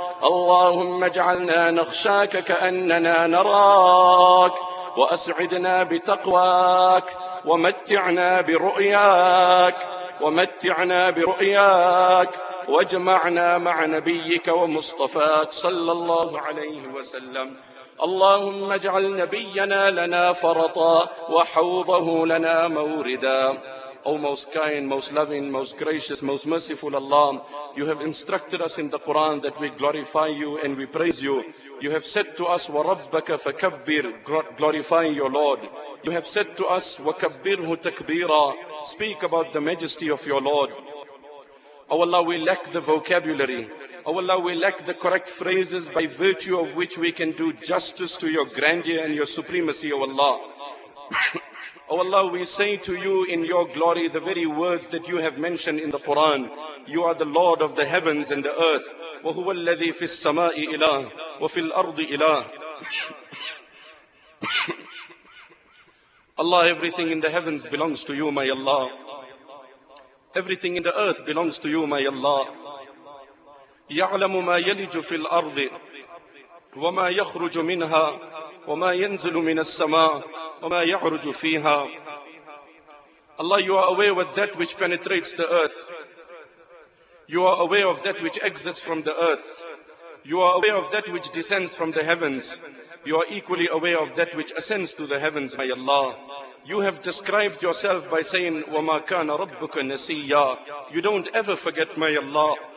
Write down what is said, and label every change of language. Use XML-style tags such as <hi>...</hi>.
<ar>اللهم اجعلنا نخشاك كأننا نراك، وأسعدنا بتقواك، ومتعنا برؤياك، ومتعنا برؤياك، واجمعنا مع نبيك ومصطفاك صلى الله عليه وسلم. اللهم اجعل نبينا لنا فرطا، وحوضه لنا موردا.</ar> <en>O most kind, most loving, most gracious, most merciful Allah, you have instructed us in the Quran that we glorify you and we praise you. You have said to us,</en> <ar>وَرَبَّكَ فَكَبِّرْ,</ar> <en>glorify your Lord. You have said to us,</en> <ar>وَكَبِّرْهُ تَكْبِيرًا,</ar> <en>speak about the majesty of your Lord. O Allah, we lack the vocabulary. O Allah, we lack the correct phrases by virtue of which we can do justice to your grandeur and your supremacy, O Allah. Oh Allah, we say to you in your glory the very words that you have mentioned in the Quran. You are the Lord of the heavens and the earth.</en> <ar>وَهُوَ الَّذِي فِي السَّمَاءِ إِلَهِ وَفِي الْأَرْضِ إِلَهِ</ar> <en>Allah, everything in the heavens belongs to you, my Allah. Everything in the earth belongs to you, my Allah.</en> <ar>يَعْلَمُ مَا يَلِجُ فِي الْأَرْضِ وَمَا يَخْرُجُ مِنْهَا وَمَا يَنْزُلُ مِنَ السَّمَاءِ وَمَا يَعْرُجُ فِيهَا</ar> <en>Allah, you are aware with that which penetrates the earth. You are aware of that which exits from the earth. You are aware of that which descends from the heavens. You are equally aware of that which ascends to the heavens, my Allah. You have described yourself by saying,</en> <ar>وَمَا كَانَ رَبُّكَ نَسِيًّا</ar> <en>You don't ever forget, my Allah.</en>